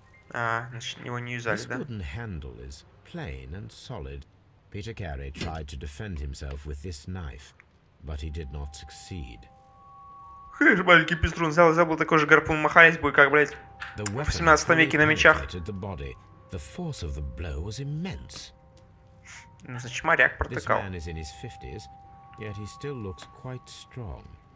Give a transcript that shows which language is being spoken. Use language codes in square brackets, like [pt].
[ru] А, значит, его не юзали, [en] this [ru] да? [en] Peter Carey tried to defend himself with this knife, but he did not succeed. [ru] Хэш, маленький пеструн, забыл такой же гарпун, махались бы, как, блядь, в 18 веке на мечах. [en] The force of the blow was immense. [ru] Ну, значит, моряк протыкал. [en] This man is in his 50s, yet he still looks quite strong.